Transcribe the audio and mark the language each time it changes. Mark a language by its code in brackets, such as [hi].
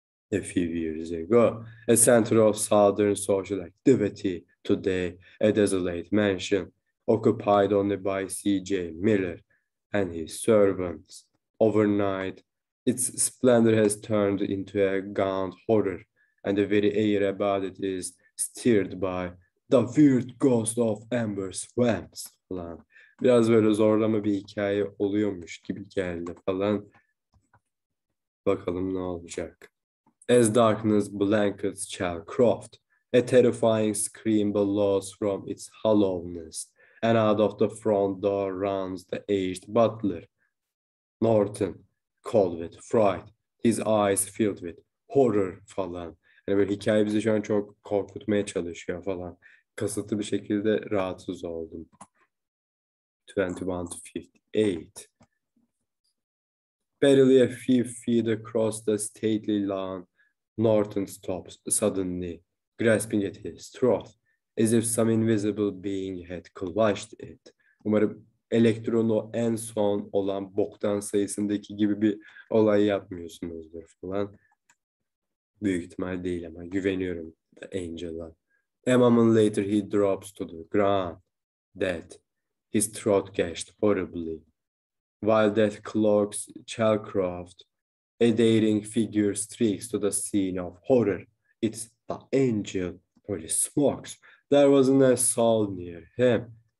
[en] A few years ago, a center of southern social activity, today a desolate mansion occupied only by C.J. Miller and his servants. Overnight, its splendor has turned into a gaunt horror and the very air about it is stirred by the weird ghost of Amber Swamps falan. [tr] Biraz böyle zorlama bir hikaye oluyormuş gibi geldi falan. Bakalım ne olacak. [en] As darkness blankets Chalcroft, a terrifying scream bellows from its hollowness and out of the front door runs the aged butler, Norton. Cold with fright, his eyes filled with horror falan. [tr] Yani böyle hikaye bizi şu an çok korkutmaya çalışıyor falan. Kasıtlı bir şekilde rahatsız oldum. 21-58. [en] Barely a few feet across the stately lawn, Norton stops suddenly, grasping at his throat, as if some invisible being had clutched it. [tr] Umarım elektronu en son olan boktan sayısındaki gibi bir olay yapmıyorsunuzdur falan. Büyük ihtimal değil ama güveniyorum da Angel'a. [en] A moment later he drops to the ground, dead. His throat gashed horribly. While death clogs Chalcroft, a daring figure streaks to the scene of horror. It's the Angel. Holy smokes. There wasn't a soul near him.